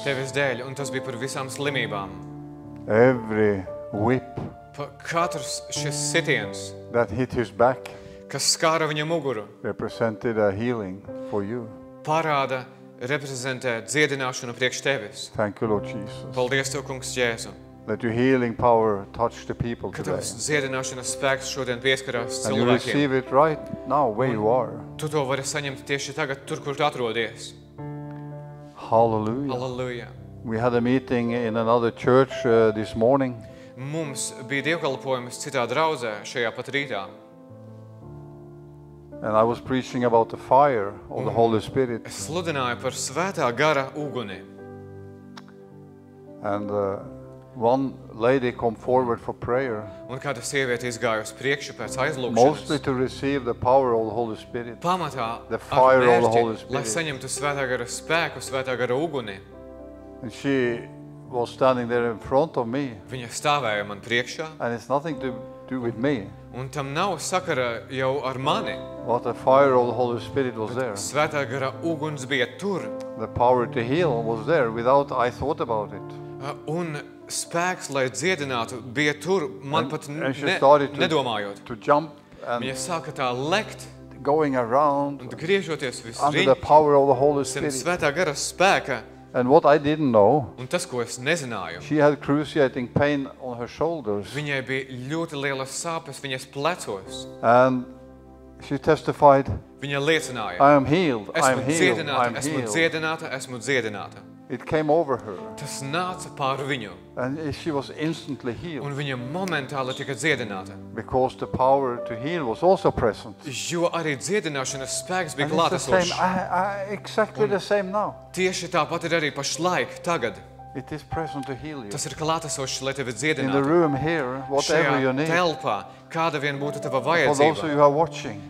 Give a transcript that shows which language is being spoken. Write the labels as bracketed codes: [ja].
[lv] Tevis dēļ, un tas bija par visām slimībām. [en] Every whip. [lv] Par katrs šis sitiens. [en] That hit his back. [lv] Kas skāra viņa muguru. [en] Represented a healing for you. [lv] Parāda reprezentē dziedināšanu priekš tevis. [en] Thank you, Lord Jesus. [lv] Paldies tev, Kungs Jēzu. [en] Let your healing power touch the people today. [lv] Kad tavs dziedināšanas spēks šodien pieskarās cilvēkiem. [en] And you receive it right now, where you are. [lv] Tu to vari saņemt tieši tagad, tur, kur tu atrodies. [en] Hallelujah. [lv] Hallelujah. [en] We had a meeting in another church this morning. [lv] Mums bija dievkalpojums citā draudzē šajā pat rītā. [en] And I was preaching about the fire of the Holy Spirit. [lv] Es sludināju par svētā gara uguni. [en] And one lady come forward for prayer. [lv] Un kāda sieviete izgāja uz priekšu pēc aizlūkšanas. [en] Mostly to receive the power of the Holy Spirit. [lv] Pamatā [en] the fire of the Holy Spirit. [lv] Lai saņemtu svētā gara spēku, svētā gara uguni. [en] And she was standing there in front of me. [lv] Viņa stāvēja man priekšā. [en] And it's nothing to do with me. [lv] Un tam nav sakara jau ar mani. [en] But the fire of the Holy Spirit was there. [lv] Svētā gara uguns bija tur. [en] The power to heal was there without I thought about it. [lv] Un spēks, lai dziedinātu, bija tur, man pat nedomājot. [en] To jump and [lv] viņa sāka tā lekt, [en] going around [lv] un griežoties visrīt, [en] under the power of the Holy Spirit. [lv] Svētā gara spēka. [en] And what I didn't know. [lv] Un tas, ko es nezināju. [en] She had cruciating pain on her shoulders. [lv] Viņai bija ļoti lielas sāpes viņas plecos. [en] And she testified. [lv] Viņa liecināja. [en] I am healed. I am healed. [lv] Esmu dziedināta, esmu dziedināta. [en] It came over her. [lv] Tas nāca pār viņu. [en] And she was instantly healed. [lv] Un viņa momentāli tika dziedināta. [en] Because the power to heal was also present. [lv] Jo arī dziedināšanas spēks bija klātesošs. [en] Exactly the same now. [lv] Tieši tāpat ir arī pašlaik, tagad. [en] It is present to heal you. [lv] Tas ir klātesošs, lai tevi dziedinātu. [en] In the room here, whatever you need. [lv] Šajā telpā, kāda vien būtu tava vajadzība. [en] For those you are watching.